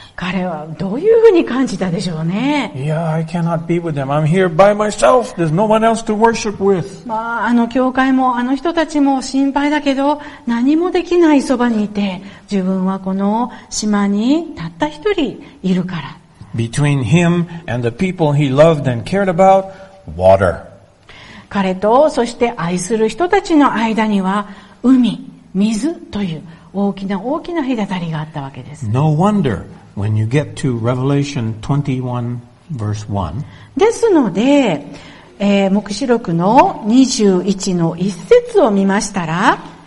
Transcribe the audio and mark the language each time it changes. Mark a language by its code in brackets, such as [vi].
[ja] 彼はどういうふうに感じたでしょうね。 [en] Yeah, I cannot be with them. I'm here by myself. There's no one else to worship with. [ja] まあ、あの教会もあの人たちも心配だけど、何もできないそばにいて、自分はこの島にたった一人いるから。 [en] Between him and the people he loved and cared about, water. [ja] 彼とそして愛する人たちの間には海、水という大きな大きな隔たりがあったわけです。 [en] No wonder when you get to Revelation 21 verse 1. [ja] ですので、黙示録の21の一節を見ましたら、